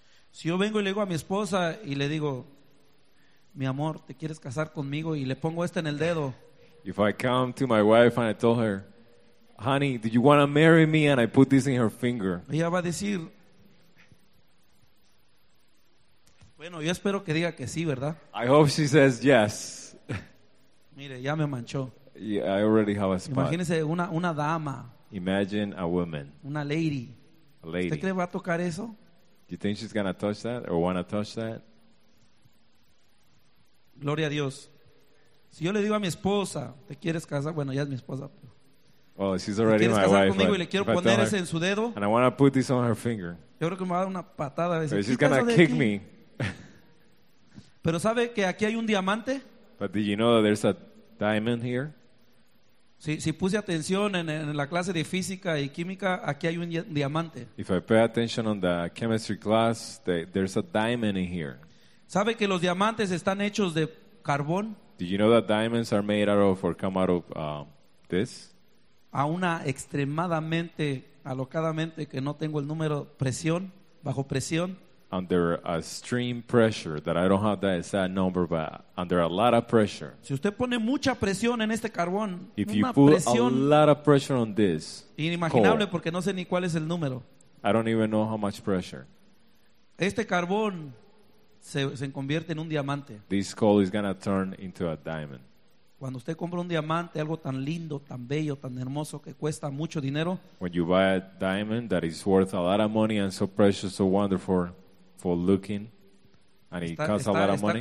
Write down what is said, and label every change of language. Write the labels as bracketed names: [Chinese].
[Spanish] Si yo vengo y le digo a mi esposa y le digo, mi amor, ¿te quieres casar conmigo? Y le pongo este en el dedo. [English] If I come to my wife and I tell her, honey, do you want to marry me? And I put this in her finger. [Spanish] Ella va a decir, bueno, yo espero que diga que sí, ¿verdad? [English] I hope she says yes. [Spanish] Mire, ya me manchó. [English] Yeah, I already have a spot. [Spanish] Imagínese una dama. [English] Imagine a woman. [Spanish] Una lady. [English] A lady. [Spanish] ¿Usted cree va a tocar eso? [English] You think she's gonna touch that or wanna touch that? [Spanish] Gloria a Dios. Si yo le digo a mi esposa, ¿te quieres casar? Bueno, ya es mi esposa. [English] Well, she's already my wife. [Spanish] ¿Quieres casar conmigo y le quiero poner ese en su dedo? [English] And I wanna put this on her finger. [Spanish] Yo creo que me va a dar una patada. [English] Or she's gonna kick me. [Spanish] Pero sabe que aquí hay un diamante. [English] But did you know that there's a diamond here? [Spanish] Si puse atención en la clase de física y química, aquí hay un diamante. [English] If I pay attention on the chemistry class, there's a diamond in here. [Spanish] ¿Sabe que los diamantes están hechos de carbón? [English] Did you know that diamonds are made out of or come out of this? [Spanish] A una extremadamente alocadamente que no tengo el número presión, bajo presión. [English] Under a extreme pressure that I don't have that exact number, but under a lot of pressure. [Spanish] Si usted pone mucha presión en este carbón, [English] if you put a lot of pressure on this, [Spanish] inimaginable, porque no sé ni cuál es el número. [English] I don't even know how much pressure. [Spanish] Este carbón se convierte en un diamante. [English] This coal is gonna turn into a diamond. [Spanish] Cuando usted compra un diamante, algo tan lindo, tan bello, tan hermoso, que cuesta mucho dinero. [English] When you buy a diamond that is worth a lot of money and so precious, so wonderful. For looking, and it costs a lot of money.